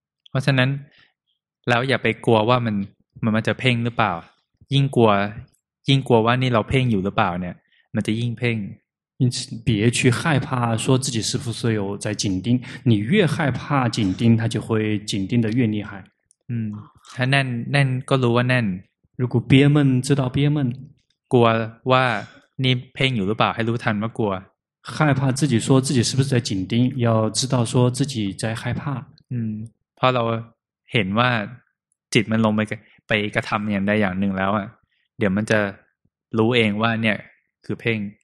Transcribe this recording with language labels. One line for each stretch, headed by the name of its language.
Thai: เพราะฉะนั้นเราอย่าไปกลัวว่ามันจะเพ่งหรือเปล่ายิ่งกลัวว่านี่เราเพ่งอยู่หรือเปล่าเนี่ยมันจะยิ่งเพ่ง
Chinese: 因此别去害怕说自己是不是有在紧盯你越害怕紧盯它就会紧盯的越厉害
Thai: ถ้าแน่นแน่นก็รู้ว่าแน่น
Chinese: 如果憋闷知道憋闷
Thai: กลัวว่านี่เพ่งอยู่หรือเปล่าให้รู้ทันว่ากลัว
Chinese: 害怕自己说自己是不是在紧盯要知道说自己在害怕
Thai: พอเราเห็นว่าจิตมันลงไปกระทำอย่างใดอย่างหนึ่งแล้วอ่ะเดี๋ยวมันจะรู้เองว่าเนี่ยคือเพ่ง